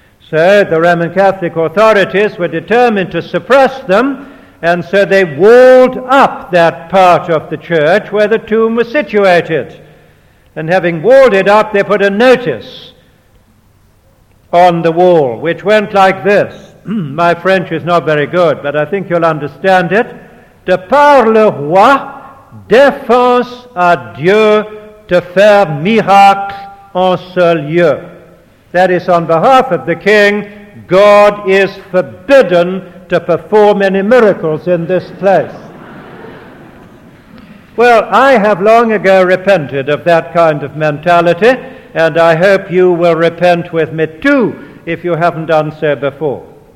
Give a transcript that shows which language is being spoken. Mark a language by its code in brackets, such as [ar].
[en] So the Roman Catholic authorities were determined to suppress them, and so they walled up that part of the church where the tomb was situated. And having walled it up, they put a notice on the wall, which went like this. My French is not very good, but I think you'll understand it. [fr] De par le roi, défense à Dieu de faire miracle en ce lieu. [en] That is, on behalf of the king, God is forbidden to perform any miracles in this place. Well, I have long ago repented of that kind of mentality, and I hope you will repent with me too, if you haven't done so before.